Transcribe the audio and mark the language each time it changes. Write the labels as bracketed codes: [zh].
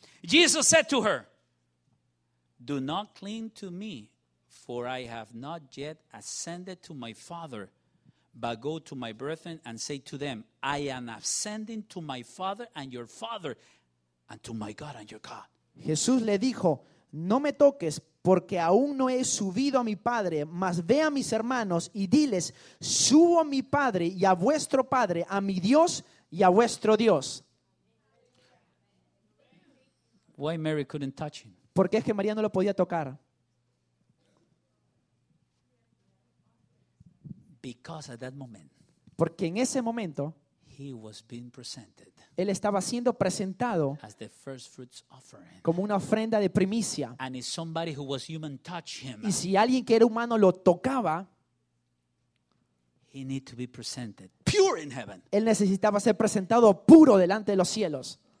[en] Jesus said to her, Do not cling to me, for I have not yet ascended to my Father, but go to my brethren and say to them, I am ascending to my Father and your Father, and to my God and your God. [es] Jesús le dijo, No me toques, porque aún no he subido a mi Padre, mas ve a mis hermanos y diles, Subo a mi Padre y a vuestro Padre, a mi Dios y a vuestro Dios. [en] Why Mary couldn't touch him? [es] ¿Por qué es que María no lo podía tocar? [en] Because at that moment, [es] porque en ese momento [en] he was being presented, [es] él estaba siendo presentado [en] as the first fruits offering, [es] como una ofrenda de primicia. [en] And if somebody who was human touched him, [es] y si alguien que era humano lo tocaba, [en] he need to be presented pure in heaven. [es] Él necesitaba ser presentado puro delante de los cielos.